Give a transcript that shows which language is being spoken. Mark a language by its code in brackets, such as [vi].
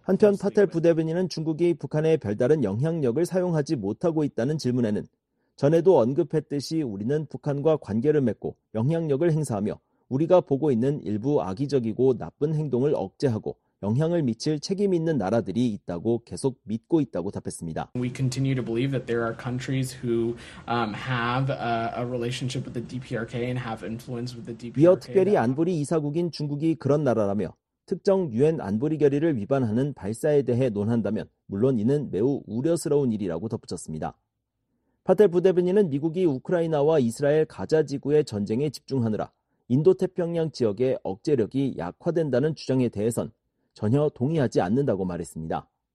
[ko] 한편 파텔 부대변인은 중국이 북한에 별다른 영향력을 사용하지 못하고 있다는 질문에는 전에도 언급했듯이 우리는 북한과 관계를 맺고 영향력을 행사하며 우리가 보고 있는 일부 악의적이고 나쁜 행동을 억제하고 영향을 미칠 책임 있는 나라들이 있다고 계속 믿고 있다고 답했습니다. [en] We continue to believe that there are countries who have a relationship with the DPRK and have influence with the DPRK. [ko] 이어 특별히 안보리 이사국인 중국이 그런 나라라며 특정 유엔 안보리 결의를 위반하는 발사에 대해 논한다면 물론 이는 매우 우려스러운 일이라고 덧붙였습니다. 파텔 부대변인은 미국이 우크라이나와 이스라엘 가자 지구의 전쟁에 집중하느라 인도태평양 지역의 억제력이 약화된다는 주장에 대해선 전혀 동의하지 않는다고 말했습니다.